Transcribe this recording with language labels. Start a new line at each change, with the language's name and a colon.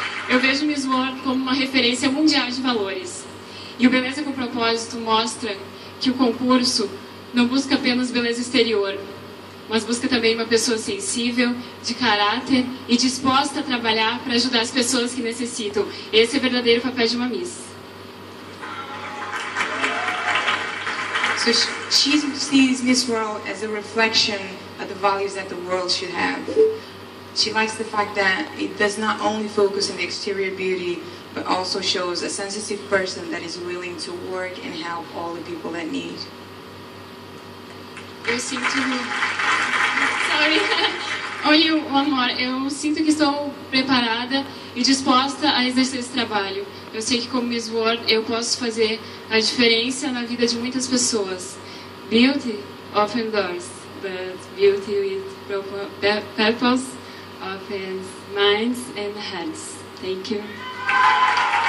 Portuguese: Eu vejo Miss World como uma referência mundial de valores. E o Beleza com Propósito mostra que o concurso não busca apenas beleza exterior, mas busca também uma pessoa sensível, de caráter e disposta a trabalhar para ajudar as pessoas que necessitam. Esse é o verdadeiro papel de uma Miss.
English: So she sees Miss World as a reflection of the values that the world should have. She likes the fact that it does not only focus on the exterior beauty, but also shows a sensitive person that is willing to work and help all the people that need.
Portuguese: Eu sinto...
English: Sorry. Only one more.
Portuguese: Eu sinto que estou preparada e disposta a exercer esse trabalho. Eu sei que como Miss World eu posso fazer a diferença na vida de muitas pessoas.
English: Beauty often does, but beauty with purpose of his minds and hands. Thank you.